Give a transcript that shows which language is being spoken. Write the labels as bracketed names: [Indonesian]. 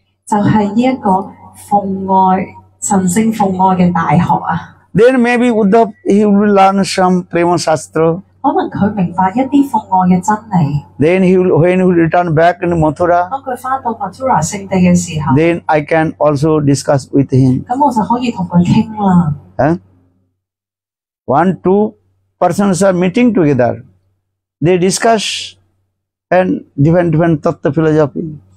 [Cantonese] 就系呢一个奉爱神圣奉爱嘅大学啊。 [English] Then maybe Uddhava he will learn some Prema Shastra。 [Cantonese] 可能佢明白一啲奉爱嘅真理。 [English] Then he will, when he will return back in Mathura。 [Cantonese] 当佢翻到 Mathura 圣地嘅时候。 [English] Then I can also discuss with him。 [Cantonese] 咁我就可以同佢倾啦。 [English] One, two persons are meeting together. They discuss and different tattva philosophy.